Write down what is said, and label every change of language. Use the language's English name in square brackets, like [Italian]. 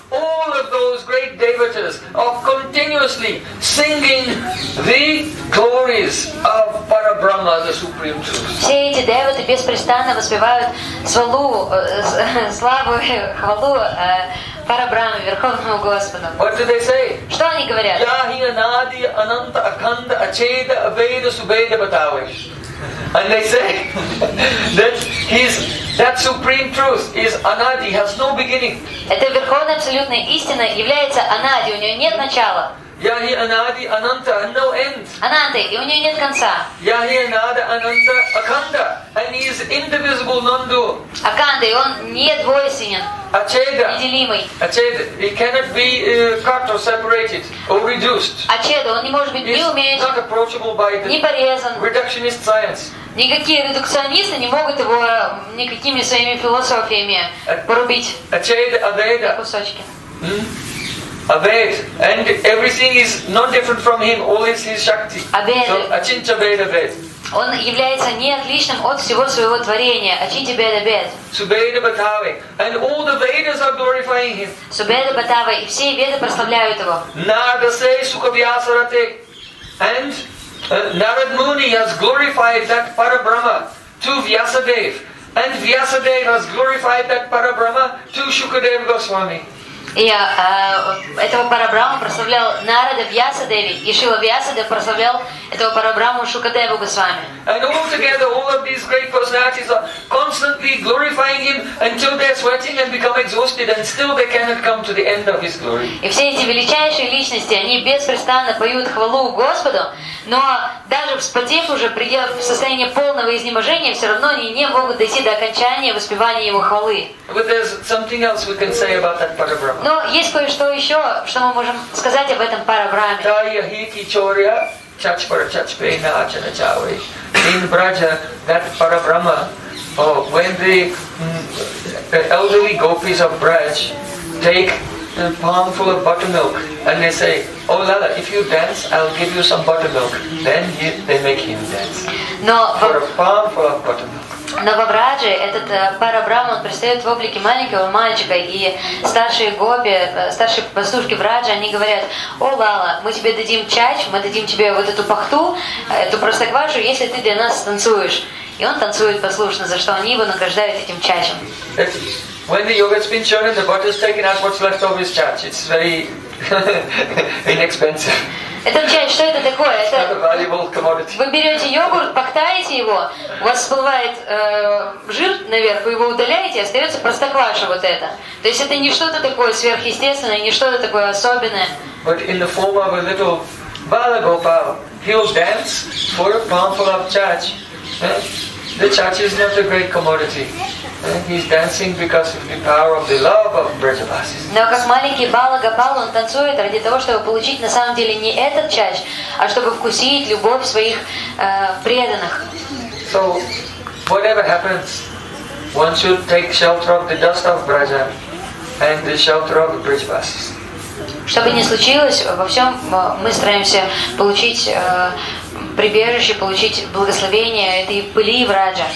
[English] All of those great devotees are continuously singing the glories of Parabrahma, the Supreme Truth. [Russian] Все эти девоты беспрестанно воспевают славу, славу, хвалу Парабрахме, Верховному Господу. [English] What do they say? [Russian] Что они говорят? [Braj] Яхи анади ананта аканда ачеда абеда субеда батаве. [English] And they say that his that supreme truth is anadi, has no beginning. [Russian] Эта верховная абсолютная истина является анади, у нее нет начала. [Braj] Яхи анади ананта, [English] no end. [Russian] Ананты, и у нее нет конца. [Braj] Яхи анади ананта аканда, [English] and he is indivisible, non-dual. [Russian] Аканда, и он недвойственен. [Braj] Ачеда. [Russian] Неделимый. [English] Ачеда. He cannot be cut or separated or reduced. [Russian] Ачеда, он не может быть неуменьшен. [English] Not approachable by the [Russian] непорезан. [English] Reductionist science. [Russian] Никакие редукционисты не могут его никакими своими философиями порубить. [Braj] Ачеда, Аведа. [Russian] Кусочки. [English] Авед. And everything is not different from him. All is his Shakti. [Braj] Авед. So, Ачинча Авед, Авед. [Russian] Он является не отличным от всего своего творения. [Braj] Ачинча Беда Бед. Субеда Батаве. [English] And all the Vedas are glorifying him. [Braj] Субеда Батаве. [Russian] И все Веды прославляют его. [Braj] Нардасе Сукавьясарате. [English] And Narad Muni has glorified that Parabrahma to Vyasadev. And Vyasadev has glorified that Parabrahma to Shukadev Goswami. [Russian] И этого Парабрахму прославлял Нарада Вьясадеви, и Шрила Вьясадев прославлял этого Парабрахму Шукадеву Госвами. [English] And all together, all of these great personalities are constantly glorifying him until they're sweating and become exhausted, and still they cannot come to the end of his glory. [Russian] И все эти величайшие личности, они беспрестанно поют хвалу Господу, но даже вспотев уже, придя в состояние полного изнеможения, все равно они не могут дойти до окончания воспевания его хвалы. [English] But there's something else we can say about that Парабрахма. [Russian] Но есть кое-что еще, что мы можем сказать об этом Парабрахме. [Braj] Тая хики чорья, чачпар чачпе на ачана чаве. [English] In Braja, that Parabrahma, oh, when the elderly gopis of Braj take a palmful of buttermilk and they say, oh Lala, if you dance, I'll give you some buttermilk. Then they make him dance. [Russian] Но [English] for a palmful of buttermilk. [Russian] Но во Врадже этот Парабрахма, он предстает в облике маленького мальчика, и старшие гопи, старшие пастушки Врадже, они говорят: «О, Лала, мы тебе дадим чач, мы дадим тебе вот эту пахту, эту простоквашу, если ты для нас танцуешь». И он танцует послушно, за что они его награждают этим чачем. [English] When the yogurt's been churned, the butter's taken out, what's left of his chach? It's very inexpensive. [Russian] Это чай, что это такое? Вы берете йогурт, пахтаете его, у вас всплывает жир наверх, вы его удаляете, и остается простокваша вот это. То есть это не что-то такое сверхъестественное, не что-то такое особенное. [English] But in the form of a little bala gopal, he'll dance for a mouthful of chach. The chach is not a great commodity. He's dancing because of the power of the love of Vrajavasis. [Russian] Но как маленький Бала-Гопал, он танцует ради того, чтобы получить на самом деле не этот чач, а чтобы вкусить любовь своих преданных. [English] So, whatever happens, one should take shelter of the dust of Vraja and the shelter of Vrajavasis. [Russian] Что бы ни случилось, во всем мы стараемся получить прибежище, получить благословение этой пыли в Раджа.